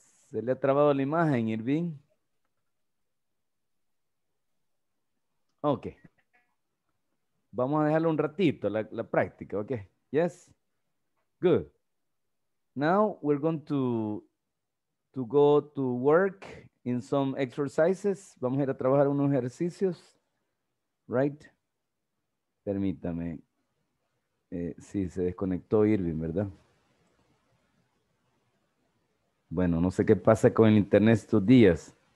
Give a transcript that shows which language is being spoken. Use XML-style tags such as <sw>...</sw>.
<es>Se le ha trabado la imagen, Irving. Ok. Vamos a dejarlo un ratito, la práctica, ¿ok?</es> <en>Yes? Good. Now we're going to go to work in some exercises.</en> <es>Vamos a ir a trabajar unos ejercicios,</es> <en>right?</en> <es>Permítame. Sí, se desconectó Irving, ¿verdad? Bueno, no sé qué pasa con el internet estos días.</es>